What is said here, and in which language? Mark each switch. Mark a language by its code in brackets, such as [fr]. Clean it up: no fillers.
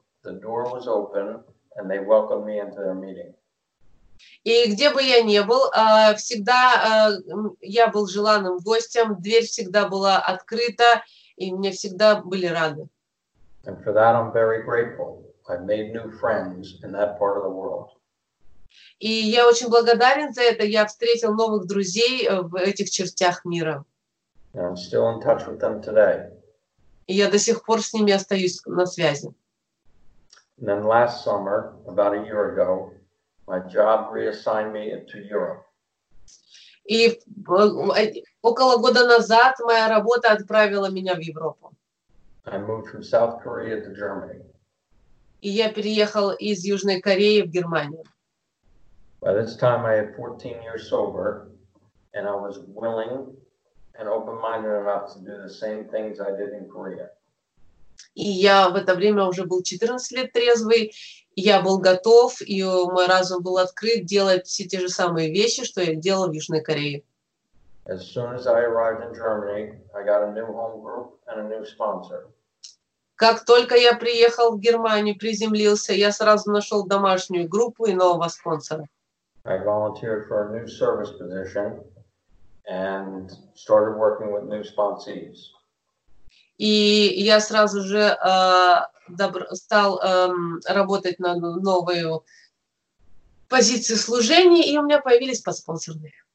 [en] The door was open, and they welcomed me into their meeting. [ru] И где бы я ни был, всегда я был желанным гостем, дверь всегда была открыта, и мне всегда были рады. [en] And for that I'm very grateful. I made new friends in that part of the world. [ru] И я очень благодарен за это. Я встретил новых друзей в этих чертях мира. [en] And I'm still in touch with them today. [ru] И я до сих пор с ними остаюсь на связи. [en] And then last summer, about a year ago, my job reassigned me to Europe. [ru] И около года назад моя работа отправила меня в Европу. [en] I moved from South Korea to Germany. [ru] И я переехал из Южной Кореи в Германию. [en] By this time I had 14 years sober, and I was willing and open-minded enough to do the same things I did in Korea. [ru] И я в это время уже был 14 лет трезвый. Я был готов, и мой разум был открыт делать все те же самые вещи, что я делал в Южной Корее. [en] As soon as I arrived in Germany, I got a new home group and a new sponsor. [ru] Как только я приехал в Германию, приземлился, я сразу нашел домашнюю группу и нового спонсора. [en] I volunteered for a new service position and started working with new sponsees. [ru] И я сразу же стал работать на новую позицию служения, и у меня появились подспонсорные.